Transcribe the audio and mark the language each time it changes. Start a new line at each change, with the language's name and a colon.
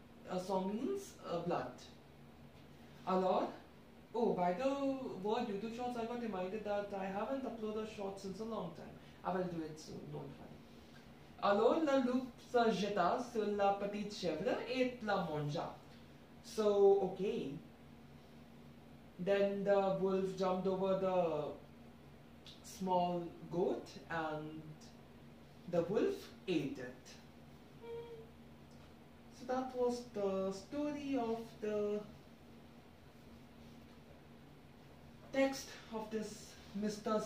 English: A song means blood. Alors, oh, by the word YouTube shorts, I got reminded that I haven't uploaded shorts since a long time. I will do it soon, don't worry.
French: Alors, la loup se jeta sur la petite chèvre et la mangea.
English: So, okay. Then the wolf jumped over the small goat and the wolf ate it. So that was the story of the text of this Mr.